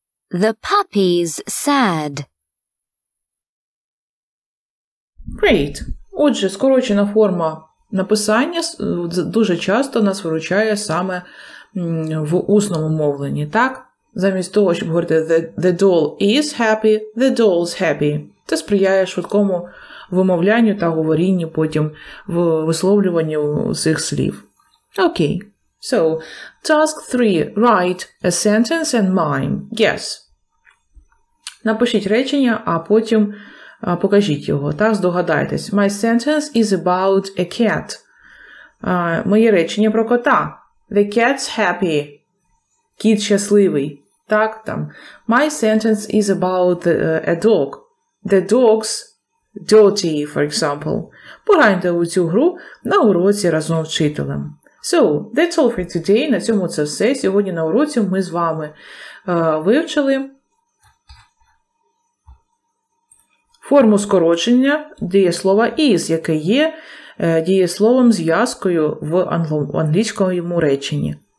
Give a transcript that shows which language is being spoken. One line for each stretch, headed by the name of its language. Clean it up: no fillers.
English: The puppy's sad. Great.
Ukrainian: Отже, скорочена форма написання дуже часто нас виручає саме в усному мовленні, так? Замість того, щоб говорити
English: the doll is happy, the doll's happy.
Ukrainian: Це сприяє швидкому вимовлянню та говорінню потім в висловлюванні цих слів.
English: Окей. So, task 3. Write a sentence and mime. Yes.
Ukrainian: Напишіть речення, а потім покажіть його. Так, здогадайтесь.
English: My sentence is about a cat.
Ukrainian: Моє речення про кота.
English: The cat's happy.
Ukrainian: Кіт щасливий. Так, там.
English: My sentence is about a dog. The dog's dirty, for example.
Ukrainian: Пограємо у цю гру на уроці разом з вчителем.
English: So, that's all for today.
Ukrainian: На цьому це все. Сьогодні на уроці ми з вами вивчили форму скорочення дієслова is, яке є дієсловом зв'язкою в англійському реченні.